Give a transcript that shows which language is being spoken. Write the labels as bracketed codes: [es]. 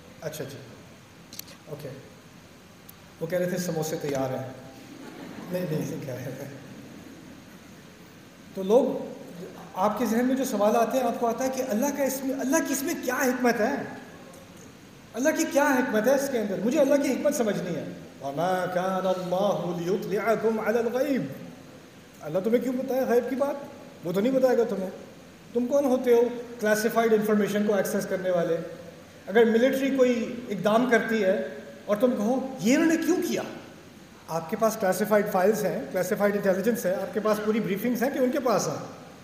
[hi] अच्छा अच्छा ओके, वो कह रहे थे समोसे तैयार हैं, नहीं नहीं कह रहे थे। तो लोग आपके जहन में जो सवाल आते हैं आपको आता है कि अल्लाह का इसमें अल्लाह की इसमें क्या हिकमत है, अल्लाह की क्या हिकमत है इसके अंदर, मुझे अल्लाह की हिकमत समझनी है। [ar] وما كان الله ليطلعكم على الغيب. [hi] अल्लाह तुम्हें क्यों बताया गैब की बात, वो तो नहीं बताएगा तुम्हें. तुम कौन होते हो [en] classified information को access [hi] करने वाले. अगर मिलिट्री कोई इकदाम करती है और तुम कहो ये उन्होंने क्यों किया, आपके पास [en] classified files [hi] हैं, [en] classified intelligence [hi] है, आपके पास पूरी ब्रीफिंग्स हैं कि उनके पास है.